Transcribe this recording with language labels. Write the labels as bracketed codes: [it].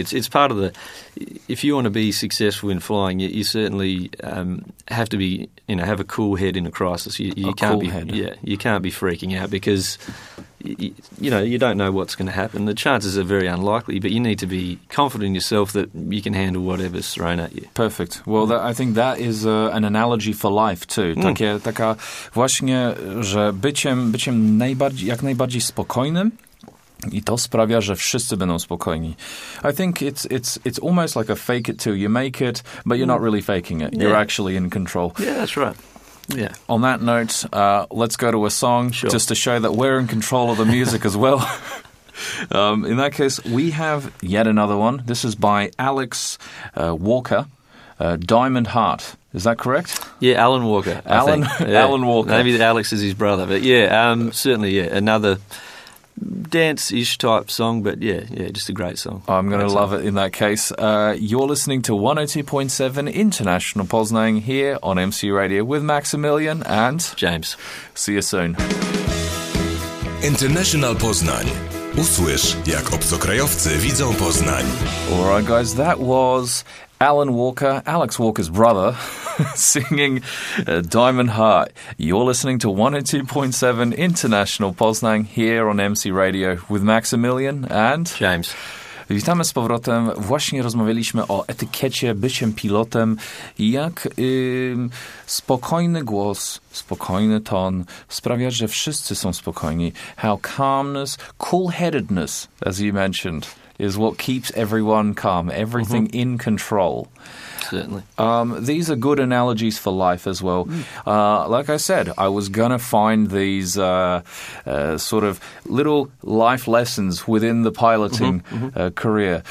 [en] It's part of the – if you want to be successful in flying, you certainly have to be – you know, have a cool head in a crisis. You can't be freaking out because, you know, you don't know what's going to happen. The chances are very unlikely, but you need to be confident in yourself that you can handle whatever's thrown at you. Perfect. Well, I think that is an analogy for life too. Mm. [pl] Taka właśnie, że byciem najbardziej, jak najbardziej spokojnym, i to sprawia, że wszyscy będą spokojni. [en] I think it's almost like a fake it till you make it, but you're not really faking it. Yeah. You're actually in control. Yeah, that's right. Yeah. On that note, let's go to a song sure. just to show that we're in control of the music as well. In that case, we have yet another one. This is by Alex Walker, Diamond Heart. Is that correct? Yeah, Alan Walker. Alan Walker. Maybe Alex is his brother, but yeah, certainly, yeah, another dance-ish type song, but yeah, just a great song. I'm going to love it in that case. You're listening to 102.7 International Poznań here on MC Radio with Maximilian and James. See you soon. International Poznań. [pl] Usłysz, jak obcokrajowcy widzą Poznań. [en] All right, guys, that was Alan Walker, Alex Walker's brother, singing Diamond Heart. You're listening to 102.7 International Poznań here on MC Radio with Maximilian and James. [pl] Witamy z powrotem. Właśnie rozmawialiśmy o etykiecie, byciem pilotem, jak spokojny głos, spokojny ton sprawia, że wszyscy są spokojni. [en] How calmness, cool-headedness, as you mentioned, is what keeps everyone calm, everything mm-hmm. in control. Certainly. These are good analogies for life as well. Mm. Like I said, I was going to find these sort of little life lessons within the piloting mm-hmm. Mm-hmm. Career.